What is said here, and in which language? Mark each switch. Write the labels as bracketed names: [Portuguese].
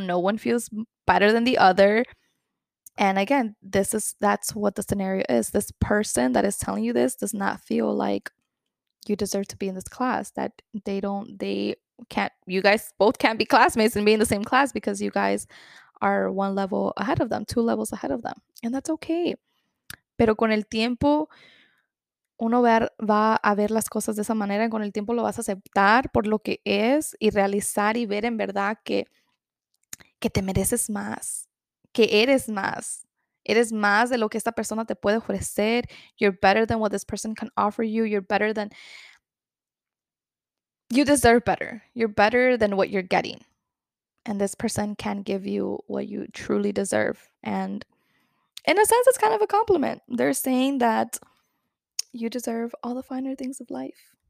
[English] No one feels better than the other. And again, that's what the scenario is. This person that is telling you this does not feel like you deserve to be in this class, that you guys both can't be classmates and be in the same class because you guys are one level ahead of them, two levels ahead of them. And that's okay. [Spanish] Pero con el tiempo, uno va a ver las cosas de esa manera, y con el tiempo lo vas a aceptar por lo que es y realizar y ver en verdad que te mereces más, que eres más. Eres más de lo que esta persona te puede ofrecer. [English] You're better than what this person can offer you. You're better than... You deserve better. You're better than what you're getting. And this person can give you what you truly deserve. And in a sense, it's kind of a compliment. They're saying that you deserve all the finer things of life.